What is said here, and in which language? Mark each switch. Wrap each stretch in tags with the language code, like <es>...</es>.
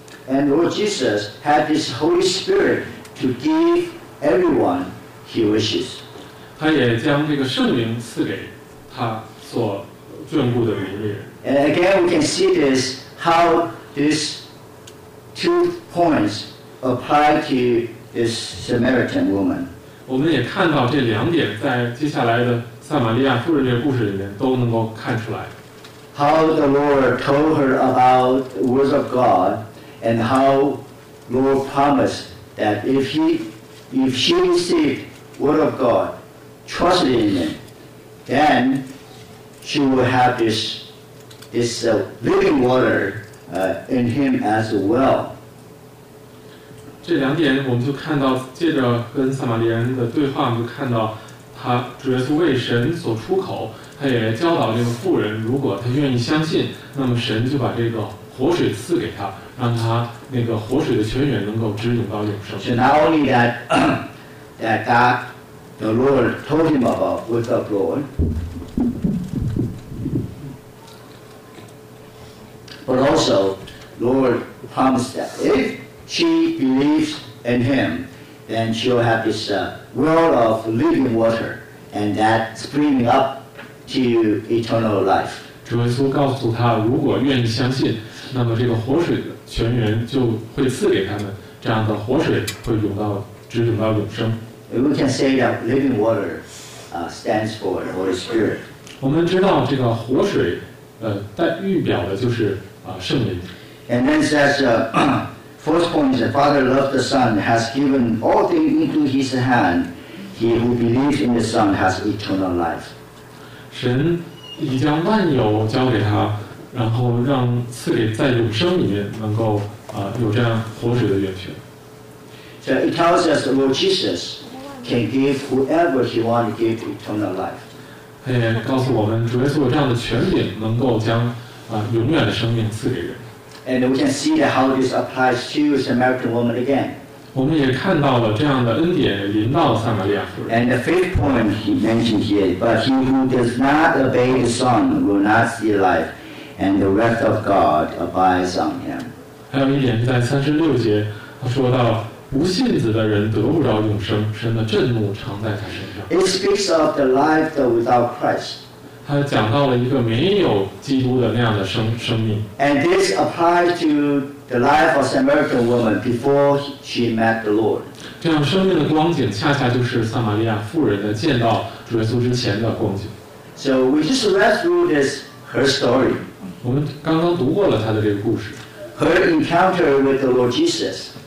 <en>And Lord Jesus had His Holy Spirit to give everyone He wishes.</en> <zh>他也将这个圣灵赐给他所眷顾的每一位人。</zh> <en>And again, we can see this how these two points apply to this Samaritan woman.</en> <zh>我们也看到这两点在接下来的撒玛利亚妇人这个故事里面都能够看出来。</zh> <en>How the Lord told her about the words of God. And how Lord promised that if she received word of God, trusted in Him, then she will have this living water in Him as well.</en> <zh>这两点我们就看到，借着跟撒玛利亚人的对话，我们就看到他主耶稣为神所出口，他也教导这个妇人，如果他愿意相信，那么神就把这个活水赐给他。让他那个活水的泉源能够直涌到永生。</zh> <en>So not only that God, the Lord told him about word of God, but also Lord promised that if she believes in Him, then she'll have this well of living water, and that springing up to eternal life.</en> <zh>主耶稣告诉他，如果愿意相信，那么这个活水的泉源就会赐给他们，这样的活水会涌到，直涌到永生。</zh> <en>We can say that living water stands for the Holy Spirit.</en> <zh>我们知道这个活水，代预表的就是圣灵。</zh> <en>And then says fourth point is the Father loved the Son, has given all things into His hand. He who believes in the Son has eternal life.</en> <zh>神已将万有交给他。然后让赐给在永生里面能够有这样活水的源泉。</zh> <en>So it tells us the Lord Jesus can give whoever He wants to give eternal life.</en> <zh>他也告诉我们，主耶稣有这样的权柄，能够将永远的生命赐给人。</zh> <en>And we can see that how this applies to the Samaritan woman again.</en> <zh>我们也看到了这样的恩典临到撒玛利亚妇人。</zh> <en>And the fifth point He mentioned here, but he who does not obey the Son will not see life. And the wrath of God abides on him.</en> <zh>还有一点是在三十六节，他说到不信子的人得不着永生，神的震怒常在他身上。</zh> <en>It speaks of the life without Christ.</en> <zh>他讲到了一个没有基督的那样的生命。</zh> <en>And this applies to the life of Samaritan woman before she met the Lord.</en> <zh>这样生命的光景，恰恰就是撒玛利亚妇人的见到主耶稣之前的光景。</zh> <en>So we just read through this her story.</en> <zh>我们刚刚读过了他的这个故事。</zh> <en>Her encounter with the Lord Jesus.</en>